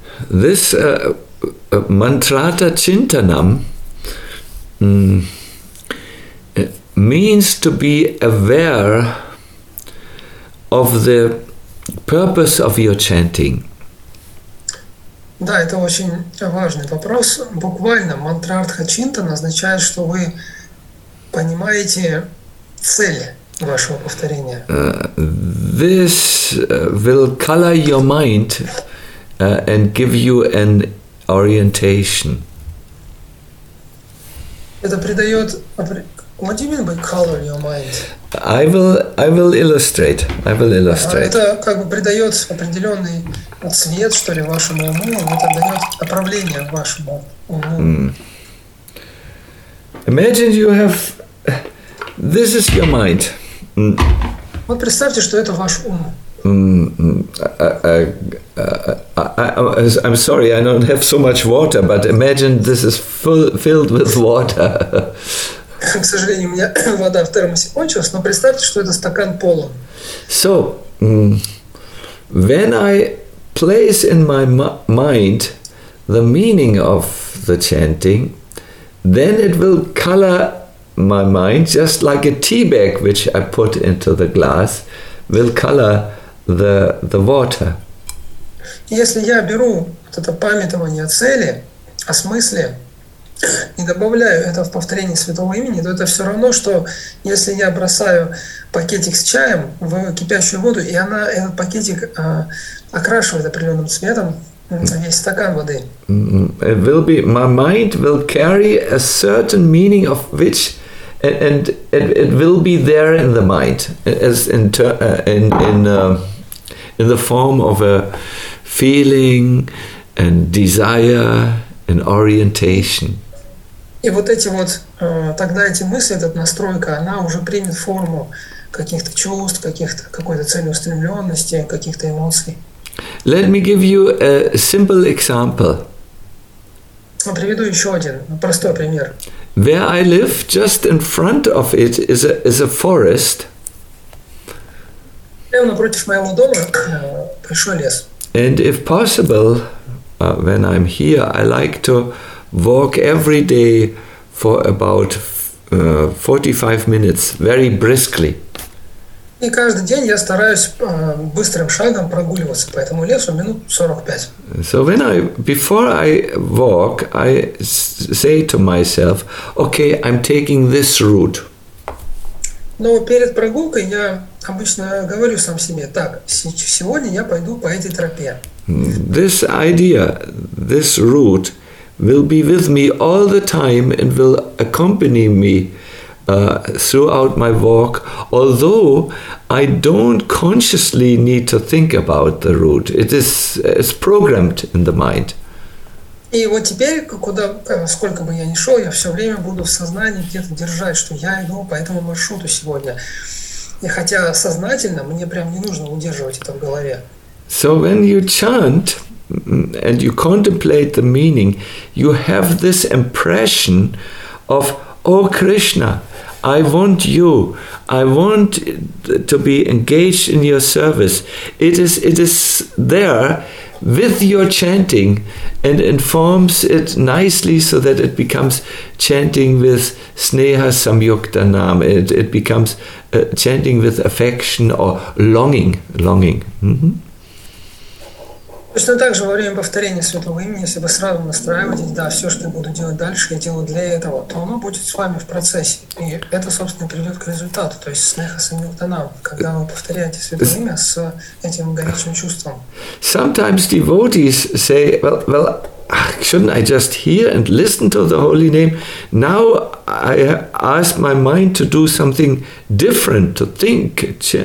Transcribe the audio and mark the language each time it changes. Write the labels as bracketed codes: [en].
[en] Mantrata Chintanam means to be aware of the purpose of your chanting. [ru] Да, это очень важный вопрос. Буквально мантрартха чинтана означает, что вы понимаете цель вашего повторения. [en] This will color your mind and give you an orientation. [ru] Это придает [en] What do you mean by color your mind? I will illustrate. [ru] Это как бы придает определенный цвет, что ли, вашему уму, это дает направление вашему уму. [en] Imagine you have this is your mind. [ru] Вот представьте, что это ваш ум. [en] I'm sorry, I don't have so much water, but imagine this is filled with water. [ru] К сожалению, у меня вода в термосе кончилась, но представьте, что это стакан полон. [en] So, when I place in my mind the meaning of the chanting, then it will color my mind just like a tea bag which I put into the glass will color the water. [ru] Если я беру вот это памятование о цели, о смысле, и добавляю это в повторение святого имени, то это все равно, что если я бросаю пакетик с чаем в кипящую воду, и она этот пакетик окрашивает определенным цветом весь стакан воды. [en] It will be, my mind will carry a certain meaning of which and it will be there in the mind as in the form of a feeling and desire and orientation. [ru] И вот эти вот, тогда эти мысли, эта настройка, она уже примет форму каких-то чувств, каких-то какой-то целеустремленности, каких-то эмоций. [en] Let me give you a simple example. [ru] Я приведу еще один простой пример. [en] Where I live, just in front of it is a forest. [ru] Прямо напротив моего дома большой лес. [en] And if possible, when I'm here, I like to walk every day for about 45 minutes, very briskly. [ru] И каждый день я стараюсь быстрым шагом прогуливаться по этому лесу минут 45. [en] So when I before I walk, I say to myself, okay, I'm taking this route. [ru] Но перед прогулкой я обычно говорю сам себе, так, сегодня я пойду по этой тропе. [en] This idea, this route will be with me all the time and will accompany me throughout my walk, although I don't consciously need to think about the route. It's programmed in the mind. [ru] И вот теперь, куда, сколько бы я ни шел, я все время буду в сознании где-то держать, что я иду по этому маршруту сегодня. И хотя сознательно, мне прям не нужно удерживать это в голове. [en] So when you chant and you contemplate the meaning, you have this impression of, oh Krishna, I want you, I want to be engaged in your service. It is there with your chanting and informs it nicely so that it becomes chanting with sneha samyukta nam. It becomes chanting with affection or longing. Mm-hmm. [ru] Точно так же во время повторения святого имени, если вы сразу настраиваетесь, да, все, что я буду делать дальше, я делаю для этого, то оно будет с вами в процессе. И это, собственно, приведет к результату, то есть снеха самьюктанам, когда вы повторяете святое имя с этим горячим чувством. [en] Sometimes devotees say, well, shouldn't I just hear and listen to the holy name? Now I ask my mind to do something different, to think.